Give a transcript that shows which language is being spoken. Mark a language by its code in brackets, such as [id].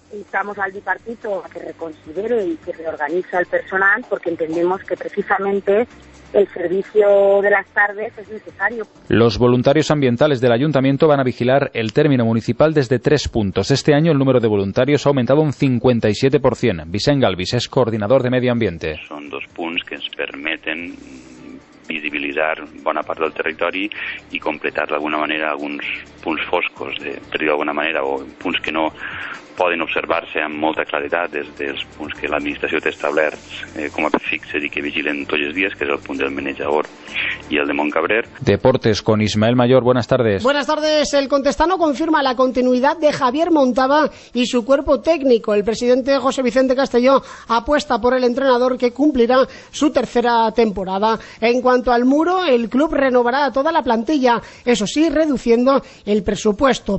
[es] Instamos al bipartito a que reconsidere y que reorganice al personal porque entendemos que precisamente el servicio de las tardes es necesario. Los voluntarios ambientales del ayuntamiento van a vigilar el término municipal desde tres puntos. Este año el número de voluntarios ha aumentado un 57%. Vicent Galvis es coordinador de medio ambiente. [ca] Son dos puntos que nos permiten visibilitzar bona part del territori i completar d'alguna manera alguns punts foscos, per dir d'alguna manera, o punts que no poden observar-se amb molta claritat des dels punts que l'administració té establerts com a fixe i que vigilen tots els dies, que és el punt del Menejador i el de Montcabrer. [es] Deportes con Ismael Mayor. Buenas tardes. Buenas tardes. El Contestano confirma la continuidad de Javier Montaba y su cuerpo técnico. El presidente José Vicente Castelló apuesta por el entrenador que cumplirá su tercera temporada. En cuanto al muro, el club renovará toda la plantilla, eso sí, reduciendo el presupuesto.